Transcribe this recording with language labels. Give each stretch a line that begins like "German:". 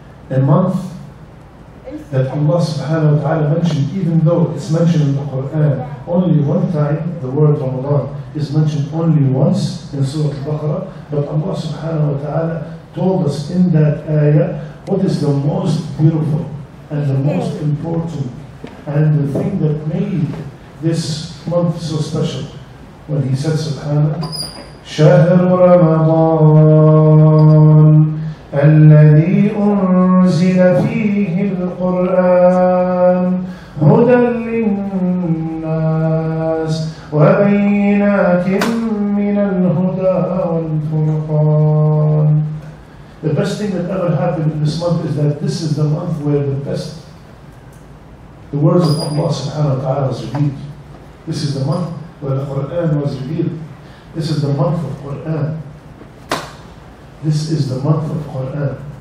English: A month that Allah subhanahu wa ta'ala mentioned, even though it's mentioned in the Quran only one time, the word Ramadan is mentioned only once in Surah Al-Baqarah, but Allah subhanahu wa ta'ala told us in that ayah what is the most beautiful and the most important and the thing that made this month so special. When he said
Arabic: subhanahu, شهر رمضان الذي أنزل فيه القرآن هدى للناس وبينات من الهدى والفرقان.
English: The best thing that ever happened in this month is that this is the month where the best, the words of Allah subhanahu wa ta'ala is revealed. This is the month where the Qur'an was revealed. This is the month of Qur'an. This is the month of Qur'an.